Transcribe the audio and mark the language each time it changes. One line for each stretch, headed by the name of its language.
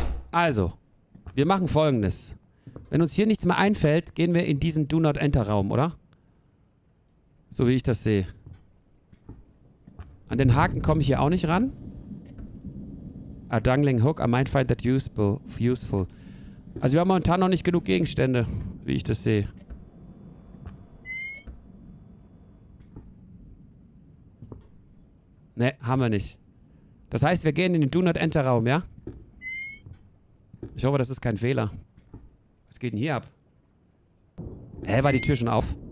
German: Also, wir machen Folgendes. Wenn uns hier nichts mehr einfällt, gehen wir in diesen Do-Not-Enter-Raum, oder? So wie ich das sehe. An den Haken komme ich hier auch nicht ran.
English: A dangling hook, I might find that useful.
German: Also wir haben momentan noch nicht genug Gegenstände, wie ich das sehe. Ne, haben wir nicht. Das heißt, wir gehen in den Do-Not-Enter-Raum, ja? Ich hoffe, das ist kein Fehler. Was geht denn hier ab? Hä, war die Tür schon auf?